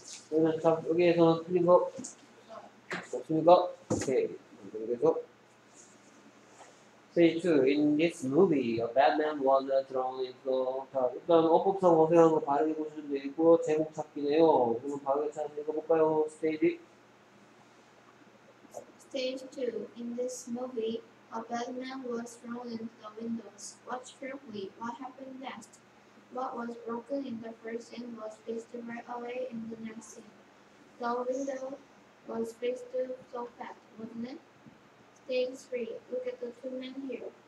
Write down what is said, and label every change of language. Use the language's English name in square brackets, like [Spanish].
[Korean] 그렇습니다. 네. 여기에서는 틀린 거 없습니까? 오케이. 그래서 [English] Say two. In this movie, a Batman was drawn in the... [Korean] 자, 일단 어법상 어색한 거 바르게 보시면 되고 제목 찾기네요. 그럼 바르게 찾아서 읽어볼까요? [English] Stage 2. Stage 2. In this movie, a Batman was drawn in the drawing of windows. Watch carefully. What happened next? What was broken in the first scene was fixed right away in the next scene. The window was fixed so fast, wasn't it? Stage 3. Look at the two men here.